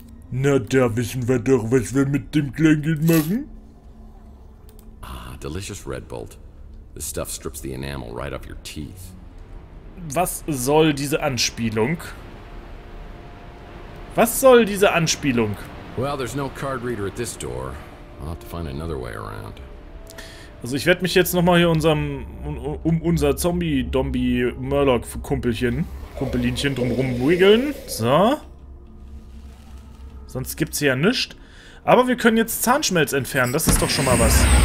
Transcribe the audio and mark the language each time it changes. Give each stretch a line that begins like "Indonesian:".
German: Na, da wissen wir doch, was wir mit dem Kleingeld machen.
English: Ah, delicious Red Bolt. This stuff strips the enamel right off your teeth.
German: Was soll diese Anspielung? Was soll diese Anspielung?
English: Well, there's no card reader at this door. I'll have to find another way around.
German: Also ich werde mich jetzt nochmal hier unserem unser Zombie-Dombi-Murloc-Kumpelchen, Kumpelinchen drumrum wiggeln. So. Sonst gibt's hier ja nichts. Aber wir können jetzt Zahnschmelz entfernen, das ist doch schon mal was.